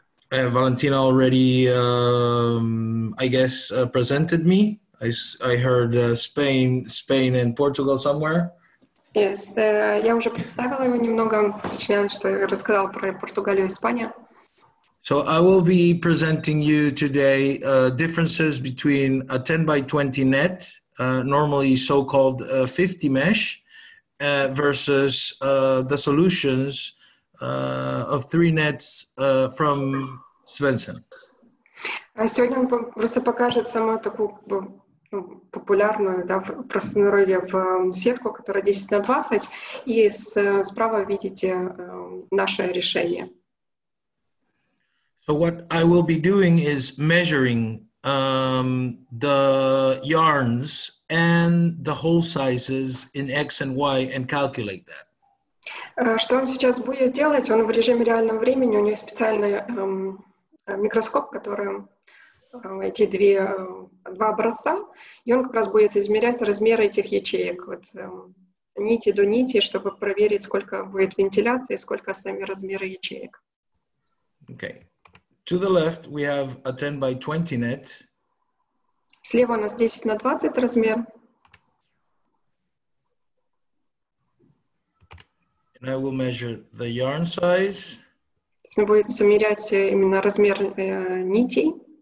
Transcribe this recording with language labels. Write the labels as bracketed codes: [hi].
[en] Valentina already, I guess, presented me. I heard Spain and Portugal somewhere. Yes, [ru] я уже представила его немного, точнее, что я рассказала про Португалию и Испанию. [en] So I will be presenting you today differences between a 10x20 net, normally so-called 50 mesh, versus the solutions of three nets from Svensson. [ru] Сегодня он просто покажет самую такую популярную, да, в простонародье в сетку, которая 10 на 20, и справа видите наше решение. [en] So what I will be doing is measuring the yarns and the hole sizes in X and Y and calculate that. [ru] Что он сейчас будет делать? Он в режиме реального времени, у него специальный микроскоп, который эти два образца, и он как раз будет измерять размеры этих ячеек, вот нити до нити, чтобы проверить, сколько будет вентиляции, сколько сами размеры ячеек. [en] Okay. To the left we have a 10 by 20 net. [ru] Слева у нас 10 на 20 размер. [en] And I will measure the yarn size. [ru] Нужно будет замерять именно размер нитей.